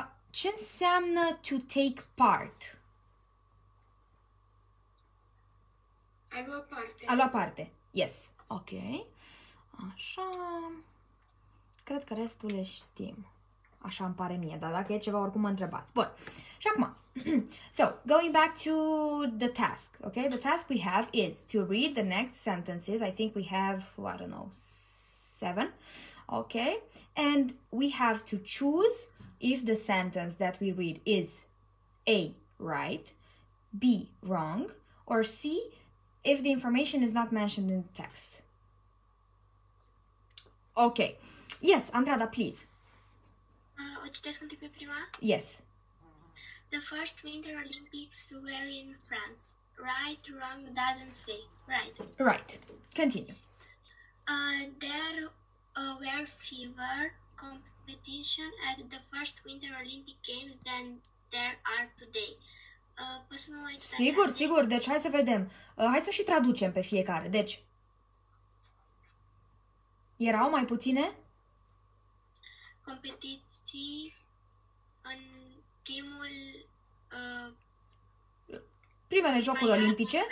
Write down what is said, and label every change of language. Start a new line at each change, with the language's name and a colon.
Romanian: Ce înseamnă
English: to take part?
Romanian: A lua parte. Yes. Ok. Așa. Cred că restul le știm. Așa îmi pare mie, dar dacă e ceva, oricum mă întrebați. Bun. Și acum.
English: So, going back to the task. Ok? The task we have is to read the next sentences. I think we have, well, I don't know, 7. Ok? And we have to choose if the sentence that we read is A, right, B, wrong, or C, if the information is not mentioned in the text. Ok. Yes, Andrada, please.
Romanian: O citesc întâi pe prima?
English: Yes. The first Winter Olympics were in France. Right, wrong, doesn't say. Right. Right. Continue. There were fewer competition at the first Winter Olympic Games than there are today.
Romanian: Sigur, sigur. Deci hai să vedem. Hai să și traducem pe fiecare. Deci, erau mai puține? Competiții în primul... primele jocuri olimpice.